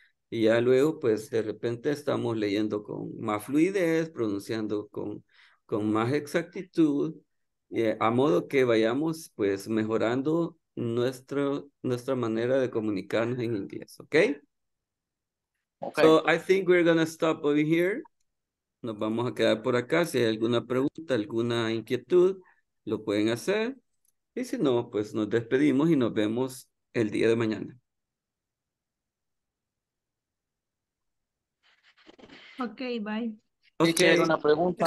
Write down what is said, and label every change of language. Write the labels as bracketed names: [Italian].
[Spanish] Y ya luego, pues de repente estamos leyendo con más fluidez, pronunciando con más exactitud, a modo que vayamos pues mejorando nuestra manera de comunicarnos en inglés, ¿okay? [English] Okay. So I think we're going to stop over here. [Spanish] Nos vamos a quedar por acá. Si hay alguna pregunta, alguna inquietud, lo pueden hacer. Y si no, pues nos despedimos y nos vemos el día de mañana. [English] Ok, bye. [Spanish] Okay. Teacher, una pregunta.